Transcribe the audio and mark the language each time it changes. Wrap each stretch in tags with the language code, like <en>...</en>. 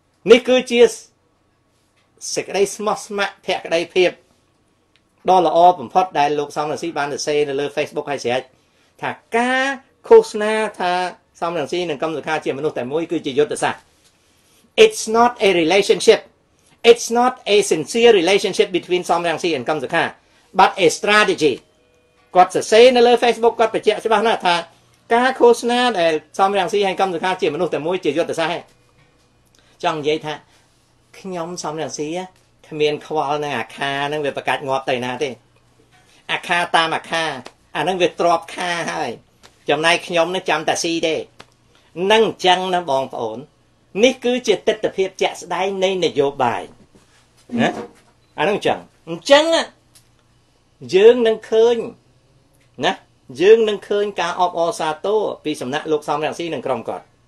<km>នេះគឺជាសេចក្តីស្មោះស្ម័គ្រភក្តីភាពដ៏ល្អបំផុតដែលលោកសំរងស៊ីបានសរសេរនៅលើ Facebook ឲ្យស្រេចថាការឃោសនាថាសំរងស៊ីនិងកឹមសុខាជាមនុស្សតែមួយគឺជាយុទ្ធសាស្ត្រ</km> <en>It's not a relationship. It's not a sincere relationship between Som Rang Si and Kam Sukha, but a strategy.</en> <km>គាត់សរសេរនៅលើ Facebook គាត់បញ្ជាក់ច្បាស់ណាស់ថាការឃោសនាដែល Som Rang Si ហើយ Kam Sukha ជាមនុស្សតែមួយជាយុទ្ធសាស្ត្រឯង ចង់និយាយថាខ្ញុំ Som Rang Si គ្មានខ្វល់នឹងអាខាហ្នឹងវាប្រកាច់ងាប់ទៅណាទេអាខាតាមអាខាអាហ្នឹងវាទ្របខាហើយចំណែកខ្ញុំនឹងចាំតាស៊ីទេនឹងអញ្ចឹងណាបងប្អូននេះគឺជាទស្សនវិជ្ជាជាក់ស្ដែងនៃនយោបាយណាអានោះអញ្ចឹងអញ្ចឹងយើងនឹងឃើញណាយើងនឹងឃើញការអបអរសាទរពីសំណាក់លោកសំរងស៊ីនិងក្រុមគាត់</km>